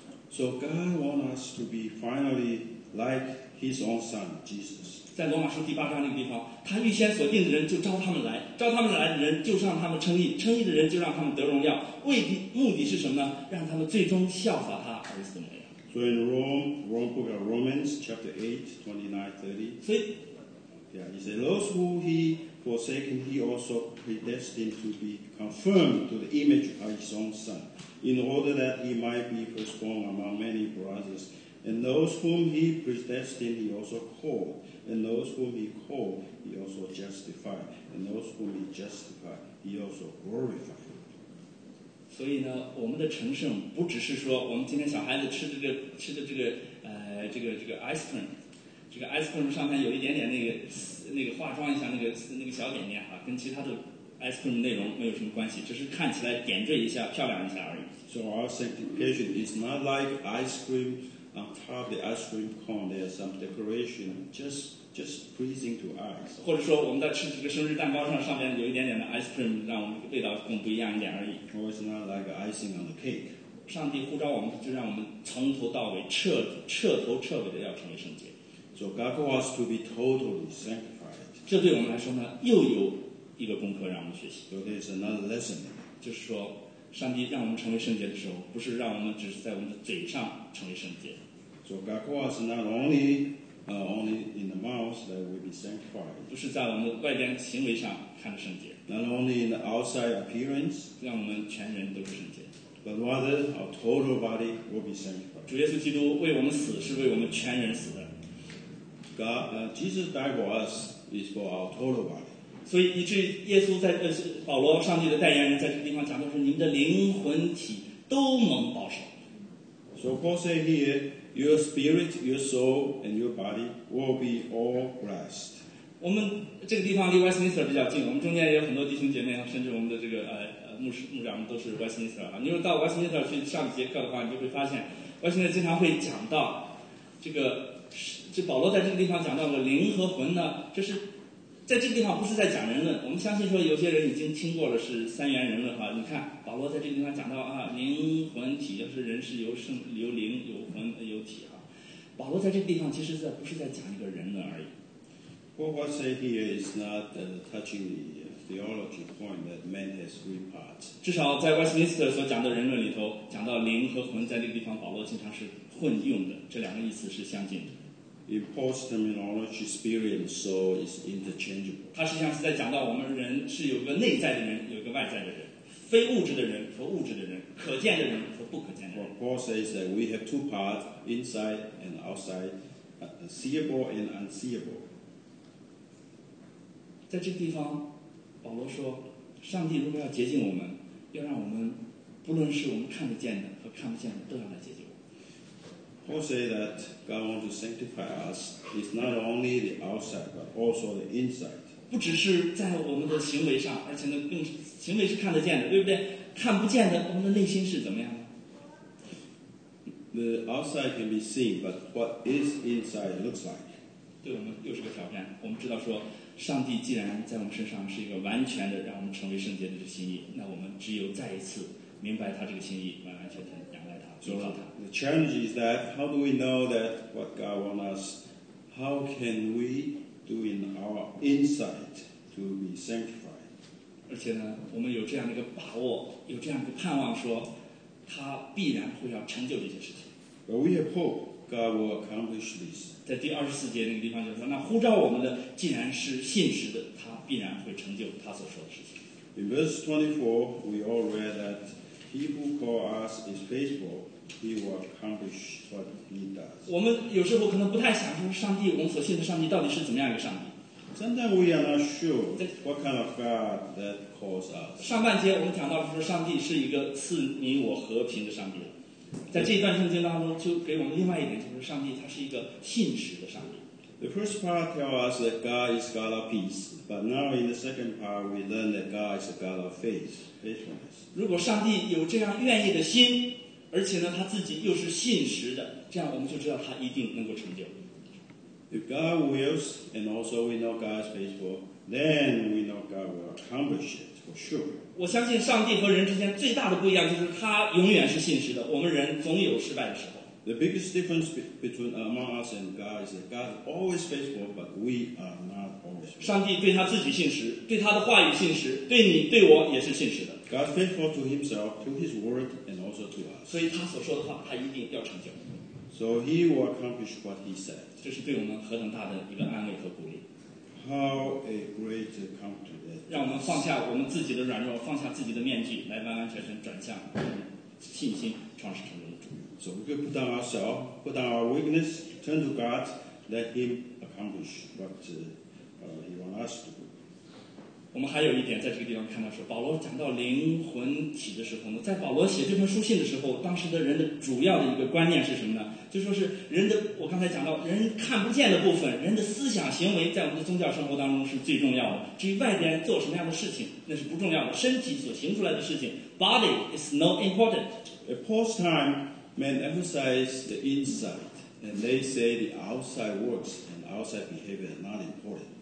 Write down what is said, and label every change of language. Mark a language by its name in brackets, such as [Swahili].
[English] So God wants us to be finally like His own Son, Jesus. [Chinese] 在罗马书第八章那个地方，他预先所定的人就招他们来，招他们来的人就让他们称义，称义的人就让他们得荣耀。目的是什么呢？让他们最终效法他儿子的模样。 [English] So in Rome, book of Romans, chapter 8:29-30. Yeah, he said, those who he forsaken, he also predestined to be confirmed to the image of his own Son, in order that he might be firstborn among many brothers. And those whom he predestined, he also called. And those whom he called, he also justified. And those whom he justified, he also glorified. [Chinese] 所以呢，我们的成圣不只是说我们今天小孩子吃的这个ice cream， 这个 ice cream 上面有一点点那个化妆一下那个小点点哈，跟其他的 ice cream 内容没有什么关系，只是看起来点缀一下、漂亮一下而已。 [English] So our sanctification is not like ice cream on top of the ice cream cone. There's some decoration, just pleasing to eyes. [Chinese] 或者说我们在吃这个生日蛋糕上面有一点点的 ice cream， 让我们味道更不一样一点而已。 [English] Or it's not like icing on the cake. [Chinese] 上帝呼召我们，就让我们从头到尾彻头彻尾的要成为圣洁。 [English] So God calls us to be totally sanctified. [Chinese] 这对我们来说呢，又有一个功课让我们学习。 [English] So there's another lesson. [Chinese] 就是说，上帝让我们成为圣洁的时候，不是让我们只是在我们的嘴上成为圣洁。 [English] So God calls us not only only in the mouth that we be sanctified. [Chinese] 不是在我们外边行为上看圣洁。 [English] Not only in the outside appearance, [Chinese] 让我们全人都圣洁。 [English] But rather our total body will be sanctified. [Chinese] 主耶稣基督为我们死，是为我们全人死的。 [English] Jesus died for us is for our total body. [Chinese] 所以以至于耶稣在保罗上帝的代言人在这个地方讲的是，你们的灵魂体都蒙保守。 [English] So Paul said here. Your spirit, your soul, and your body will be all blessed. [Chinese] 我们这个地方离 Westminster 比较近，我们中间也有很多弟兄姐妹，甚至我们的这个牧长们都是 Westminster 啊。你如果到 Westminster 去上节课的话，你就会发现 Westminster 经常会讲到这保罗在这个地方讲到的灵和魂呢，就是在这个地方不是在讲人论。我们相信说有些人已经听过了是三元人论哈。你看保罗在这个地方讲到灵魂体，就是人是由灵有魂有体哈。保罗在这个地方其实不是在讲一个人论而已。 [English] What was said here is not touching the theology point that man has three parts. [Chinese] 至少在 Westminster 所讲的人论里头，讲到灵和魂在这个地方，保罗经常是混用的，这两个意思是相近的。 [English] In Paul's terminology, spirit and soul is interchangeable. [Chinese] 他实际上是在讲到我们人是有个内在的人，有个外在的人，非物质的人和物质的人，可见的人和不可见的人。 [English] Paul says that we have two parts, inside and outside, seeable and unseeable. [Chinese] 在这个地方，保罗说，上帝如果要洁净我们，要让我们，不论是我们看得见的和看不见的，都要来洁净。 [English] Paul says that God wants to sanctify us. It's not only the outside, but also the inside. [Chinese] 不只是在我们的行为上，而且呢，更行为是看得见的，对不对？看不见的，我们的内心是怎么样的 [English] ？The outside can be seen, but what is inside looks like. [Chinese] 对我们又是个挑战。我们知道说，上帝既然在我们身上是一个完全的，让我们成为圣洁的这个心意，那我们只有再一次明白他这个心意，完完全全仰赖他。 [English] So the challenge is that how do we know that what God wants us? How can we do in our inside to be sanctified? [Chinese] 而且呢，我们有这样的一个把握，有这样的盼望说，他必然会要成就这件事情。 [English] But we have hope God will accomplish this. [Chinese] 在第二十四节那个地方就说，那呼召我们的既然是信实的，他必然会成就他所说的事情。 [English] In verse 24, we all read that. He who calls us is faithful. He will accomplish what he does. [Chinese] 我们有时候可能不太想说，上帝，我们所信的上帝到底是怎么样一个上帝 [English] ？Sometimes we are not sure what kind of God that calls us. [Chinese] 上半节我们讲到说，上帝是一个赐你我和平的上帝。在这一段圣经当中，就给我们另外一点，就是上帝他是一个信实的上帝。 [English] The first part tells us that God is God of peace, but now in the second part we learn that God is a God of faith, faithfulness. [Chinese] 如果上帝有这样愿意的心，而且呢他自己又是信实的，这样我们就知道他一定能够成就。 [English] If God wills, and also we know God is faithful, then we know God will accomplish it for sure. [Chinese] 我相信上帝和人之间最大的不一样就是他永远是信实的，我们人总有失败的时候。 [English] The biggest difference between among us and God is that God is always faithful, but we are not always. [Chinese] 上帝对他自己信实，对他的话语信实，对你对我也是信实的。 [English] God is faithful to Himself, to His word, and also to us. [Chinese] 所以他所说的话，他一定要成就。 [English] So He will accomplish what He said. [Chinese] 这是对我们何等大的一个安慰和鼓励。 [English] How a great comfort that. [Chinese] 让我们放下我们自己的软弱，放下自己的面具，来完完全全转向信心，创始成终的主。 [English] So we can put down ourselves, put down our weakness, turn to God, let Him accomplish what He wants us to do. [Chinese] 我们还有一点在这个地方看到是保罗讲到灵魂体的时候呢，在保罗写这封书信的时候，当时的人的主要的一个观念是什么呢？就说是人的，我刚才讲到人看不见的部分，人的思想行为在我们的宗教生活当中是最重要的。至于外边做什么样的事情，那是不重要的。身体所行出来的事情 ， [English] body is no important. At Paul's time. Men emphasize the inside, and they say the outside works and outside behavior are not important.